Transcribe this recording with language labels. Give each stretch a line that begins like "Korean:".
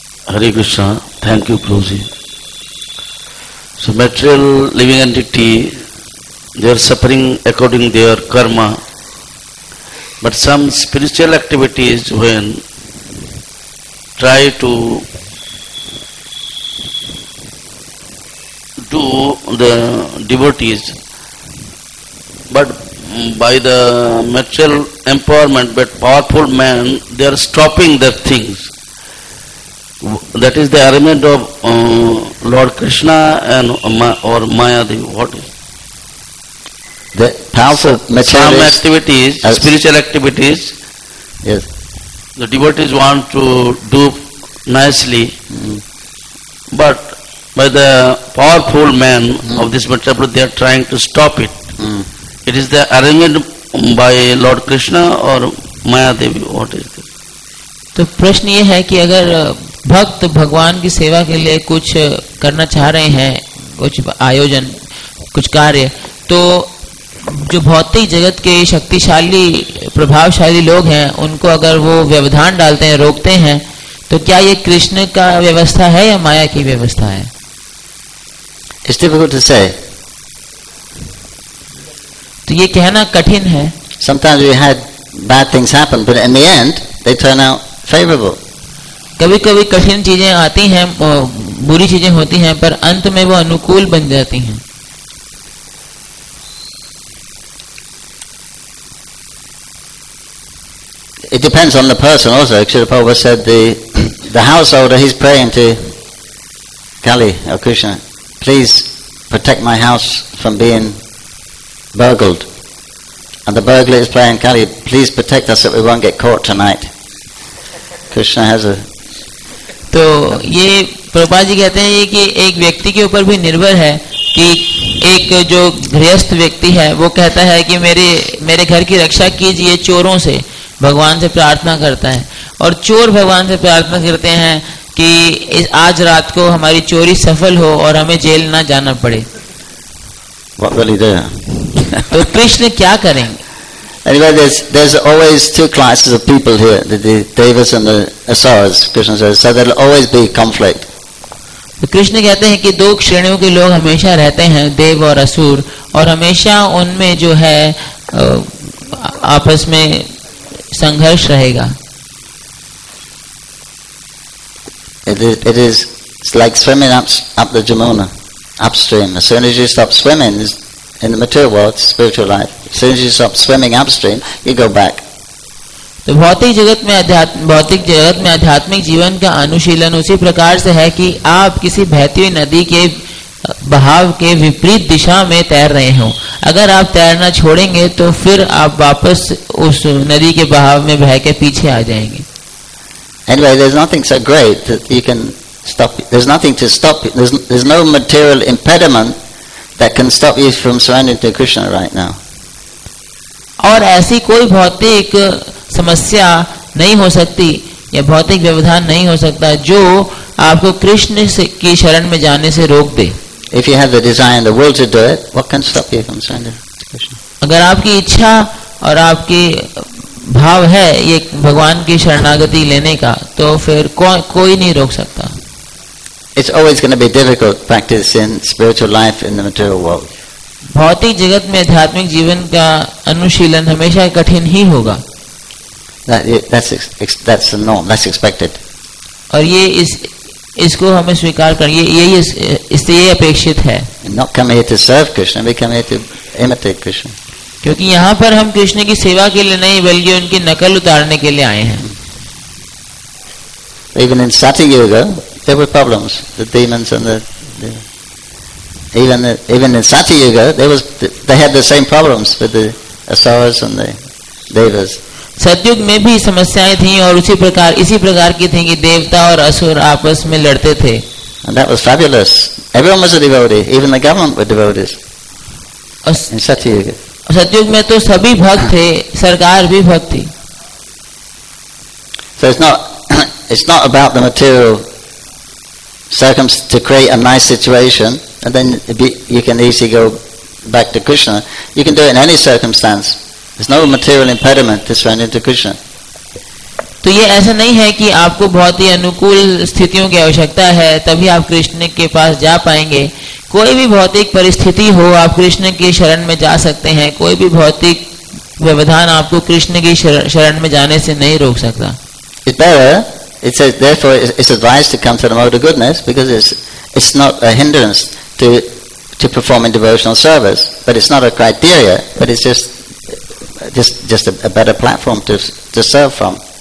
English: Hare Krishna. Thank you Prabhu ji. So material living entity they are suffering according their karma, but some spiritual activities when try to to the devotees, but by the material empowerment, but powerful men, they are stopping their things. That is the arrangement of Lord Krishna and or Mayadevi. What is the powerful materialist? Some activities, spiritual activities. Yes. The devotees want to do nicely, but by the powerful man of this material, they are trying to stop it. It is the arrangement by Lord Krishna or Mayadevi. What is this?
Hindi: तो प्रश्न ये है कि अगर भक्त भगवान की सेवा के लिए कुछ करना चाह रहे हैं, कुछ आयोजन, कुछ कार्य, तो जो भौतिक जगत के शक्तिशाली प्रभावशाली लोग हैं, उनको अगर वो व्यवधान डालते हैं, रोकते हैं, तो क्या ये कृष्ण का व्यवस्था है या माया की व्यवस्था है?
English: It's difficult to say.
Hindi: तो ये कहना कठिन है.
English: Sometimes we had bad things happen, but in the end, they turn out favorable.
Hindi: कभी कभी कठिन चीजें आती हैं, बुरी चीजें होती हैं, पर अंत में वो अनुकूल बन जाती हैं.
English: It depends on the person also. Srila Prabhupada said the householder, he's praying to Kali or Krishna, please protect my house from being burgled. And the burglar is praying, Kali, please protect us that we won't get caught tonight. Krishna has a...
Hindi: तो ये प्रभुपाद जी कहते हैं कि एक व्यक्ति के ऊपर भी निर्भर है कि एक जो गृहस्थ व्यक्ति है वो कहता है कि मेरे घर की रक्षा कीजिए चोरों से, भगवान से प्रार्थना करता है, और चोर भगवान से प्रार्थना करते हैं कि आज रात को हमारी चोरी सफल हो और हमें जेल ना जाना पड़े.
English: What will he do?
Hindi: तो कृष्ण क्या करेंगे?
English: Anyway, there's always two classes of people here, the devas and the asuras, Krishna says. So there'll always be conflict.
Hindi: तो कृष्ण कहते हैं कि दो श्रेणियों के लोग हमेशा रहते हैं, देव और असुर, और हमेशा उनमें जो है आपस में संघर्ष रहेगा.
English: It is like swimming up the Jamuna, upstream. As soon as you stop swimming, in the material world, spiritual life, as soon as you stop swimming upstream, you go back.
Hindi: तो भौतिक जगत में आध्यात्मिक जीवन का अनुशीलन उसी प्रकार से है कि आप किसी बहती हुई नदी के बहाव के विपरीत दिशा में तैर रहे हो. अगर आप तैरना छोड़ेंगे तो फिर आप वापस उस नदी के बहाव में बह के पीछे आ जाएंगे.
English: Anyway, there's nothing so great that you can stop. There's nothing to stop. There's no material impediment that can stop you from surrendering to Krishna right now.
Hindi: और ऐसी कोई भौतिक समस्या नहीं हो सकती या भौतिक व्यवधान नहीं हो सकता जो आपको कृष्ण की शरण में जाने से रोक दे.
English: If you have the desire and the will to do it, what can stop you from surrendering to Krishna?
Hindi: अगर आपकी इच्छा और आपकी भाव है ये भगवान की शरणागति लेने का, तो फिर कोई नहीं रोक सकता.
English: It's always going to be difficult practicing spiritual life in the material world.
Hindi: भौतिक जगत में आध्यात्मिक जीवन का अनुशीलन हमेशा कठिन ही होगा.
English: That's the norm. That's expected.
Hindi: और ये इसको हमें स्वीकार करें, ये अपेक्षित है.
English: Not come here to serve Krishna, we come here to imitate Krishna.
Hindi: क्योंकि यहाँ पर हम कृष्ण की सेवा के लिए नहीं बल्कि उनकी नकल उतारने के लिए आए हैं.
English: Even in starting yoga, there were problems, the demons and even in starting yoga, they had the same problems with the asuras and the devas.
Hindi: सतयुग में भी समस्याएं थीं और इसी प्रकार की थीं कि देवता और असुर आपस में लड़ते थे.
English: And that was fabulous. Everyone was a devotee. Even the government were devotees. In satyuga.
Hindi: सतयुग में तो सभी भक्त थे, सरकार भी भक्त थी.
English: So it's not about the material circumstances to create a nice situation and then you can easily go back to Krishna. You can do it in any circumstance. There's no material impediment to surrendering to Krishna.
Hindi: तो ये ऐसा नहीं है कि आपको बहुत ही अनुकूल स्थितियों की आवश्यकता है तभी आप कृष्ण के पास जा पाएंगे. कोई भी भौतिक परिस्थिति हो आप कृष्ण के शरण में जा सकते हैं. कोई भी भौतिक व्यवधान आपको कृष्ण की शरण में जाने से नहीं रोक सकता.
English: It's better. It says therefore it's advised to come to the mode of goodness because it's not a hindrance to to perform in devotional service, but it's not a criteria, but it's just a better platform to serve from.